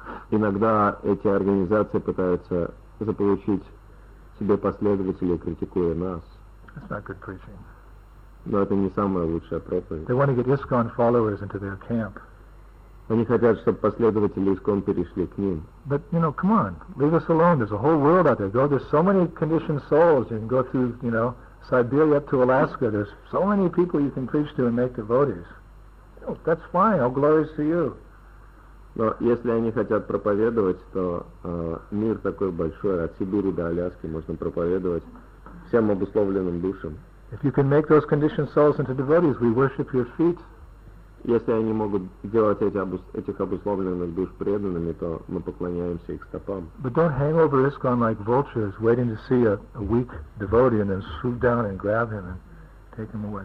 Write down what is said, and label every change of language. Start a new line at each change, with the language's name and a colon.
Russian: Иногда эти организации пытаются заполучить себе последователей, критикуя нас.
English: That's not good preaching.
Russian: Но это не самая лучшая проповедь.
English: They want to get ISKCON followers into their camp.
Russian: Они хотят, чтобы последователи ИСККОН перешли к ним.
English: But, you know, come on, leave us alone. There's a whole world out there. Go, there's so many conditioned souls. You can go through, you know, Siberia up to Alaska. There's so many people you can preach to and make devotees. Oh, that's fine. All glories to you.
Russian: Но если они хотят проповедовать, то мир такой большой, от Сибири до Аляски можно проповедовать всем обусловленным душам.
English: If you can make those conditioned souls into devotees, we worship your feet.
Russian: Если они могут делать этих обусловленных душ преданными, то мы поклоняемся их стопам.
English: But don't hang over ISKCON like vultures, waiting to see a weak devotee and then swoop down and grab him and take him away.